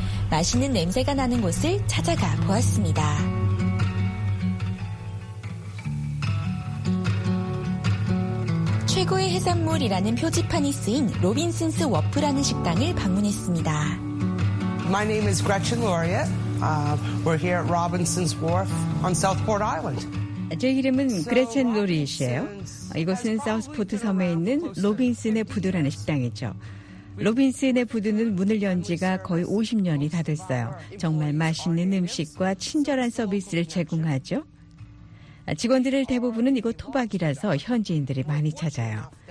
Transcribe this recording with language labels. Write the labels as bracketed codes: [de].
[ko] 맛있는 냄새가 나는 곳을 찾아가 보았습니다. 최고의 해산물이라는 표지판이 쓰인 로빈슨스 워프라는 식당을 방문했습니다. [en] My name is Gretchen Loria. We're here at Robinson's Wharf on Southport Island. [ko] 제 이름은 그레첸 로리시예요. 이곳은 사우스포트 섬에 있는 로빈슨의 부두라는 식당이죠. 로빈슨의 부두는 문을 연 지가 거의 50년이 다 됐어요. 정말 맛있는 음식과 친절한 서비스를 제공하죠. 직원들의 대부분은 이곳 토박이라서 현지인들이 많이 찾아요.